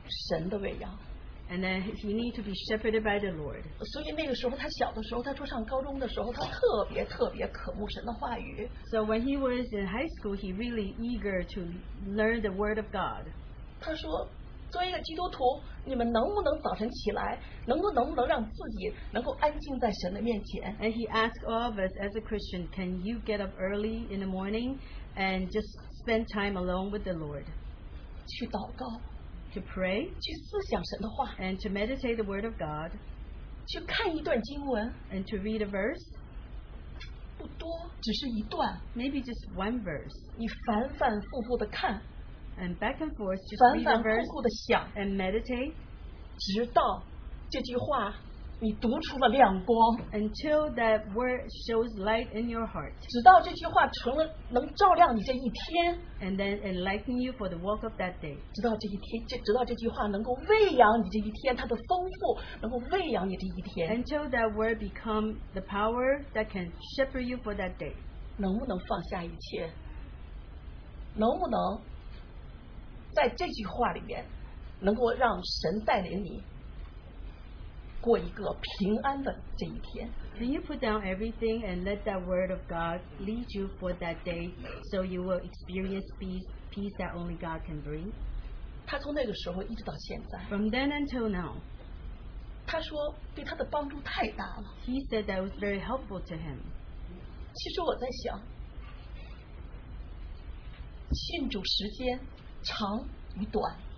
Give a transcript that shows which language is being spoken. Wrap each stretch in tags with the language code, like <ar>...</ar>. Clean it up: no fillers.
<en>And then he needs to be shepherded by the Lord. So when he was in high school, he really eager to learn the word of God.</en> <zh>作为一个基督徒, 你们能不能早晨起来, 能不能让自己能够安静在神的面前?</zh> <en>And he asked all of us as a Christian, can you get up early in the morning and just spend time alone with the Lord?</en> <zh>去祷告,</zh> <en>to pray,</en> <zh>去思想神的话,</zh> <en>and to meditate the word of God,</en> <zh>去看一段经文,</zh> <en>and to read a verse.</en> <zh>不多, 只是一段,</zh> <en>maybe just one verse.</en> <zh>你反反复复地看,</zh> <en>and back and forth, just read a verse and meditate until that word shows light in your heart, and then enlighten you for the walk of that day, until that word become the power that can shepherd you for that day.</en> <zh>能不能放下一切? 能不能 在这句话里面, 能够让神带领你, 过一个平安的这一天。</zh> <en>Can you put down everything and let that word of God lead you for that day so you will experience peace that only God can bring?</en> <zh>他从那个时候一直到现在,</zh> <en>from then until now,</en> <zh>他说对他的帮助太大了。</zh> <en>He said that it was very helpful to him.</en> <zh>其实我在想, 信主时间, 长与短,</zh>